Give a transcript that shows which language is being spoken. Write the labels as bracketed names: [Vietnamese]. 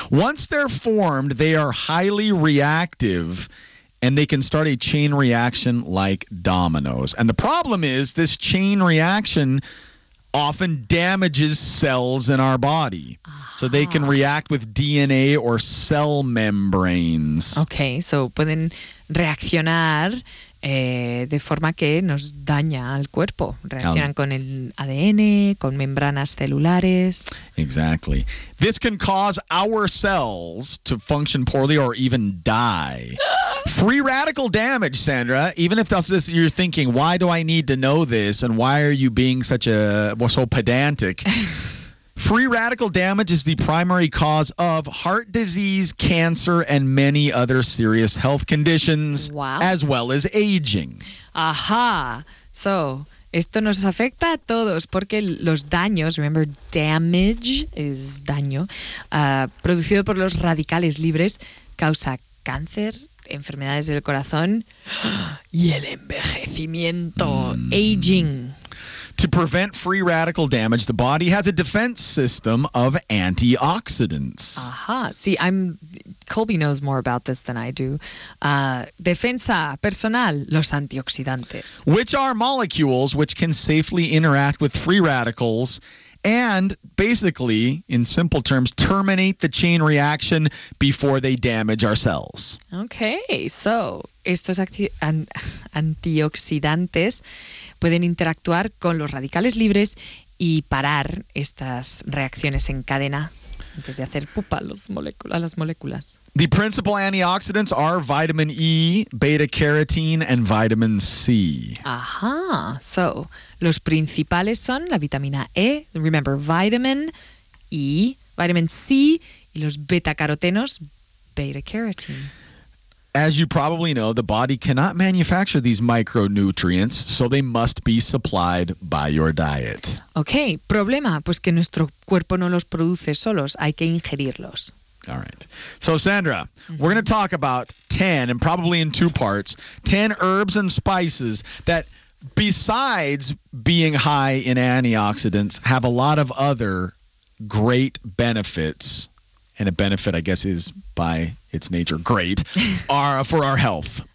[English] Once they're formed, they are highly reactive and they can start a chain reaction like dominoes. And the problem is this chain reaction often damages cells in our body. So they can react with DNA or cell membranes. [Spanish] Okay, so pueden reaccionar de forma que nos daña al cuerpo. Reaccionan con el ADN, con membranas celulares. [English] Exactly. This can cause our cells to function poorly or even die. Free radical damage, Sandra, even if that's this, you're thinking, why do I need to know this and why are you being so pedantic? Free radical damage is the primary cause of heart disease, cancer, and many other serious health conditions, wow. as well as aging. Aha. [Spanish] So, esto nos afecta a todos porque los daños, [English] remember, damage is [Spanish] daño, producido por los radicales libres, causa cáncer, enfermedades del corazón y el envejecimiento, aging. [English] To prevent free radical damage, the body has a defense system of antioxidants. Aha. See, Colby knows more about this than I do. [Spanish] Defensa personal, los antioxidantes. [English] Which are molecules which can safely interact with free radicals and basically, in simple terms, terminate the chain reaction before they damage our cells. [Spanish] Okay, so estos antioxidantes pueden interactuar con los radicales libres y parar estas reacciones en cadena antes de hacer pupa a las moléculas. [English] The principal antioxidants are vitamin E, beta-carotene, and vitamin C. [Spanish] Ajá. So, los principales son la vitamina E, [English] remember, vitamin E, vitamin C, [Spanish] y los beta-carotenos, beta-carotene. [English] As you probably know, the body cannot manufacture these micronutrients, so they must be supplied by your diet. [Spanish] Okay, problema, pues que nuestro cuerpo no los produce solos, hay que ingerirlos. [English] All right. So, Sandra, mm-hmm. we're going to talk about 10, and probably in two parts, 10 herbs and spices that, besides being high in antioxidants, have a lot of other great benefits. And a benefit, I guess, is by its nature great, for our health.